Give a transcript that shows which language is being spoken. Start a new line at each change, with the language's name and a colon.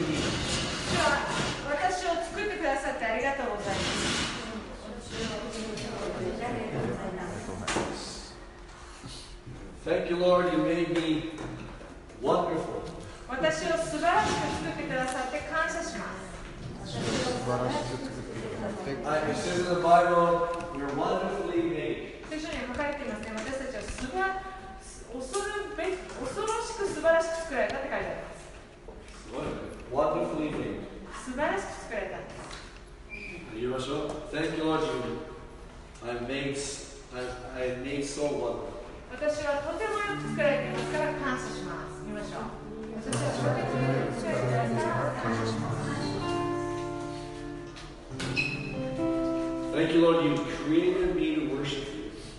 Japanese: 私を作ってくださってありがとうございます。
English: Thank you, Lord, you made me wonderful.
Japanese: 私を素晴らしく作ってくださって感謝します。素晴らしく作ってくださって感謝します。
English: It says in the Bible, you're wonderfully made.
Japanese: 聖書に書かれていますね。私たちは素晴らしく恐ろしく素晴らしく作られたって書いてあります。すごい。
English: Wonderfully made.
Japanese: 素晴らしく作られたんです。言いましょう。
English: Thank you, Lord. I made so wonderful.
Japanese: 私はとてもよく作られていますから感謝します。言いましょう。私はとてもよく作られていますから感謝します。
English: Thank you, Lord. You created me to worship you.